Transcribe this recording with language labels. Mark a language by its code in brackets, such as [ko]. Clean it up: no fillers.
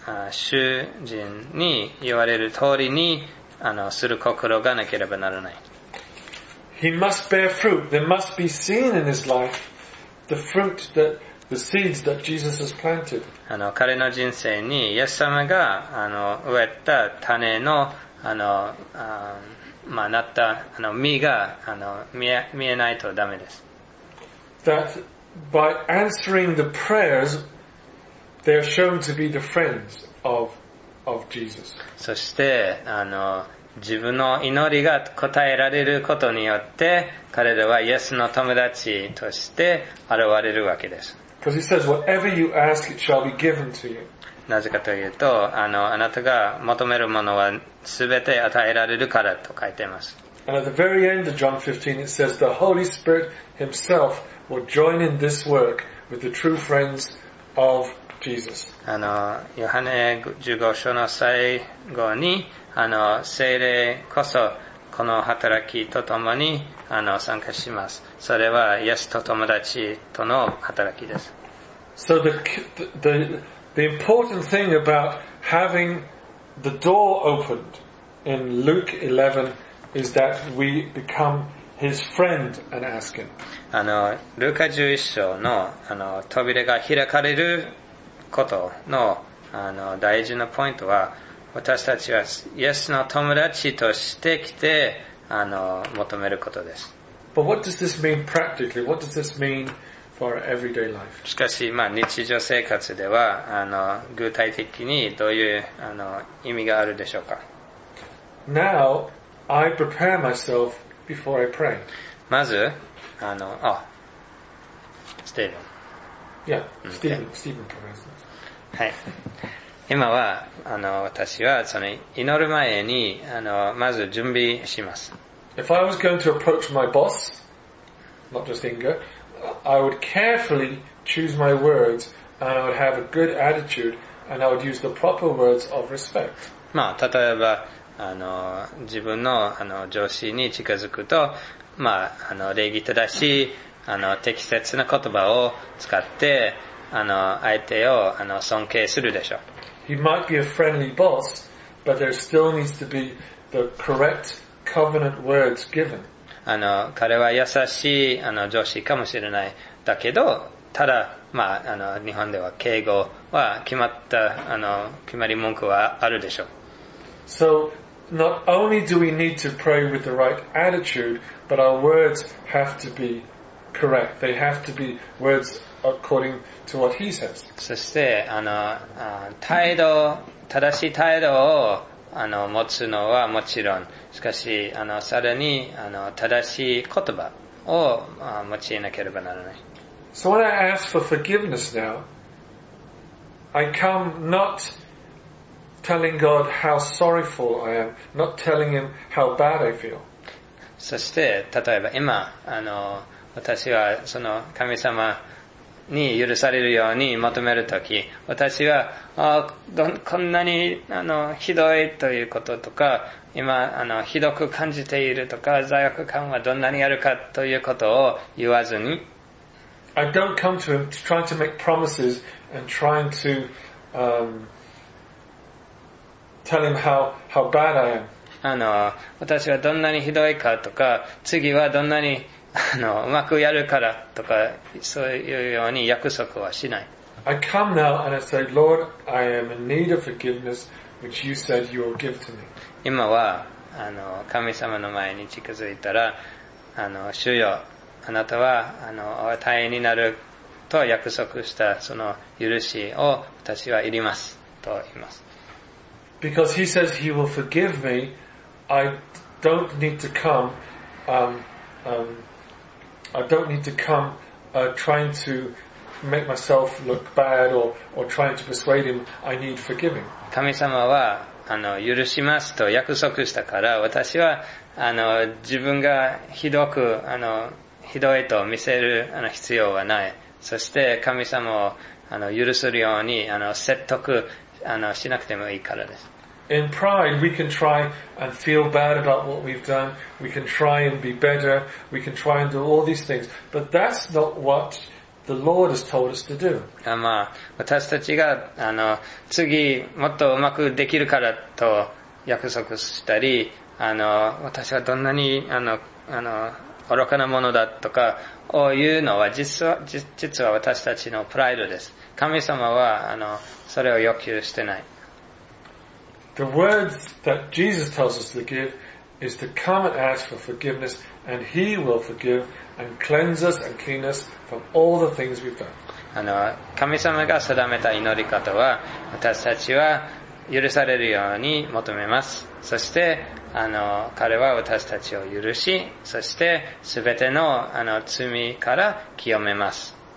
[ja] 主人に言われる通りにする心がなければならない。 [en] He must bear fruit. There must be seen in his life the fruit that the seeds that Jesus has planted. [ja] 彼の人生にイエス様が植えた種のまあ、なった実が見えないとダメです。 [en] That by answering the prayers, they are shown to be the friends of Jesus. [ja] そして自分の祈りが答えられることによって彼らはイエスの友達として現れるわけです。 [en] Because he says, whatever you ask, it shall be given to you. [ja] なぜかというとあなたが求めるものはすべて与えられるからと書いてます。 [en] And at the very end of John 15, it says, the Holy Spirit himself will join in this work with the true friends of Jesus. [ja] ヨハネ15章の最後に聖霊こそこの働きとともに参加します。それはイエスと友達との働きです。 [en] So the important thing about having the door opened in Luke 11 is that we become his friend and ask him. [ja] ルカ11章の扉が開かれることの大事なポイントは、私たちはイエスの友達として来て求めることです。 [en] But what does this mean practically? What does this mean for our everyday life? [ja] しかし、まあ、日常生活では具体的にどういう意味があるでしょうか。 [en] Now I prepare myself before I pray. [ja] まず、Stephen. Stephen. はい。今は、私は、祈る前に、まず準備します。 [en] If I was going to approach my boss, not just Inga, I would carefully choose my words, and I would have a good attitude, and I would use the proper words of respect. [ja] まあ、例えば、自分の上司に近づくと、まあ、礼儀正しい適切な言葉を使って相手を尊敬するでしょう。 [en] He might be a friendly boss, but there still needs to be the correct covenant words given. [ja] 彼は優しい上司かもしれないだけど、ただ、まあ、日本では敬語は決まり文句はあるでしょう。 [en] SoNot only do we need to pray with the right attitude, but our words have to be correct. They have to be words according to what he says. [ja] そして、態度、正しい態度を、持つのはもちろん、しかし、さらに、正しい言葉を、用いなければならない。 [en] So when I ask for forgiveness now, I come notTelling God how sorryful I am, not telling him how bad I feel. [ja] そして、例えば今、私は神様に許されるように求めるとき、私は、こんなにひどいということとか、今、ひどく感じているとか、罪悪感はどんなにあるかということを言わずに。 [en] I don't come to him to try to make promises and trying to, tell him how bad I am. [ja] 私はどんなにひどいかとか、次はどんなにうまくやるからとか、そういうように約束はしない。 [en] I come now and I say, Lord, I am in need of forgiveness, which you said you will give to me. [ja] 今は、神様の前に近づいたら、主よ、あなたは、大変になると約束したその許しを私はいりますと言います。 [en] Because he says he will forgive me, I don't need to come, trying to make myself look bad or trying to persuade him I need forgiving. [ja] 神様は許しますと約束したから、私は自分がひどくひどいと見せる必要はない。そして神様を許せるように説得しなくてもいいからです。 [en] In pride, we can try and feel bad about what we've done. We can try and be better. We can try and do all these things. But that's not what the Lord has told us to do. [ja] まあ、私たちが次もっとうまくできるからと約束したり、私はどんなに愚かなものだとかを言うのは実は私たちのプライドです。神様はそれを要求してない。 [en] The words that Jesus tells us to give is to come and ask for forgiveness and he will forgive and cleanse us and clean us from all the things we've done. [ja] 神様が定めた祈り方は私たちは許されるように求めます。そして彼は私たちを許し、そして全ての罪から清めます。